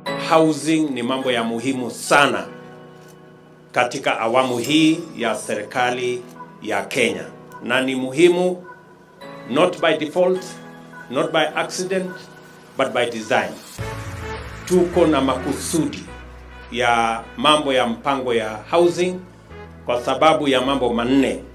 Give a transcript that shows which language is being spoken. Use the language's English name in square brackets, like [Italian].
[Swahili] housing ni mambo ya muhimu sana katika awamu hii ya serikali ya Kenya. Na ni muhimu [English] not by default, not by accident, but by design. [Swahili] Tuko na makusudi ya mambo ya mpango ya housing kwa sababu ya mambo manne.